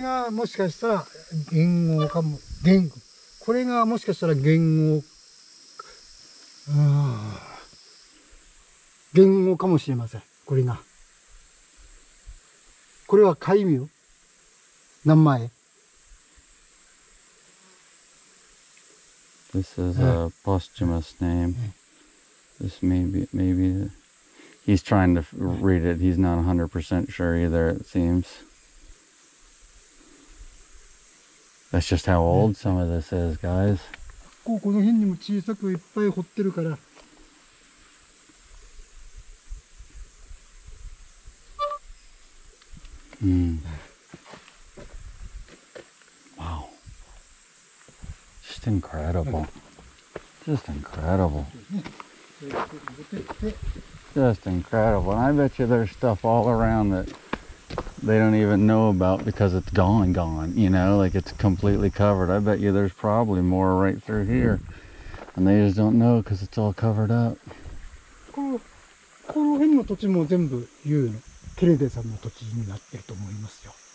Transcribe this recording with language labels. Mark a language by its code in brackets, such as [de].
[ja] がもしかしたら言語かも、言語、これがもしかしたら言語、言語かもしれません。これが、これは戒名、名前。 [en] This is a posthumous name. This maybe He's trying to read it. He's not 100% sure either, it seems. That's just how old some of this is, guys. [ja] この辺にも小さくいっぱい掘ってるから、 [en] Wow. Just incredible. Just incredible. Just incredible. And I bet you there's stuff all around that they don't even know about because it's gone, you know, like it's completely covered. I bet you there's probably more right through here. And they just don't know because it's all covered up. [ja] この辺の土地も全部ユーのケネディさんの土地になってると思いますよ。